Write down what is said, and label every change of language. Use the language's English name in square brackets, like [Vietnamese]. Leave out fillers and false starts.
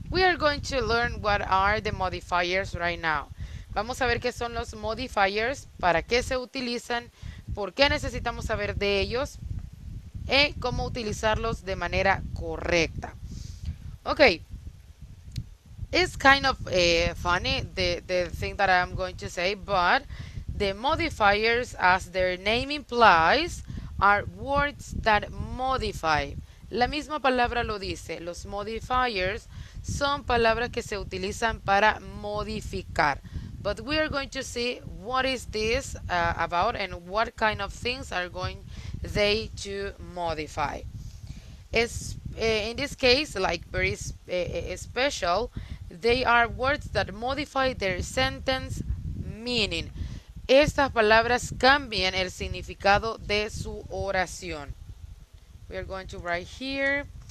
[English] We are going to learn what are the modifiers right now. [Spanish] Vamos a ver qué son los modifiers, para qué se utilizan, por qué necesitamos saber de ellos y cómo utilizarlos de manera correcta. [English] Okay. It's kind of funny the thing that I'm going to say, but the modifiers, as their name implies, are words that modify. [Spanish] La misma palabra lo dice, los modifiers son palabras que se utilizan para modificar. [English] But we are going to see what is this about and what kind of things are going they to modify. In this case, like very special, they are words that modify their sentence meaning. [Spanish] Estas palabras cambian el significado de su oración. [English] We are going to write here.